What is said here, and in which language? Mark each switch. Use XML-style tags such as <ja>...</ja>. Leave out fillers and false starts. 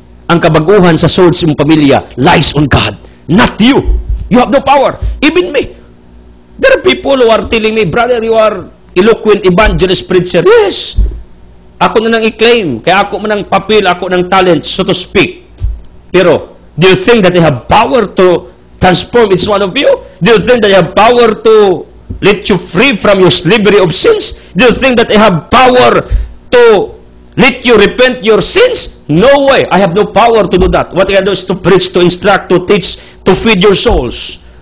<ceb>Ang kabaguhan sa soul sa imong pamilya</ceb> <en>lies on God. Not you. You have no power. Even me. There are people who are telling me, brother, you are eloquent evangelist preacher.</en> <ceb>Yes. Ako na nang i-claim. Kaya ako man ang papel, ako nang talent,</ceb> <en>so to speak. Pero, do you think that I have power to transform each one of you? Do you think that I have power to let you free from your slavery of sins? Do you think that I have power to let you repent your sins? No way. I have no power to do that. What I do is to preach, to instruct, to teach, to feed your souls.</en>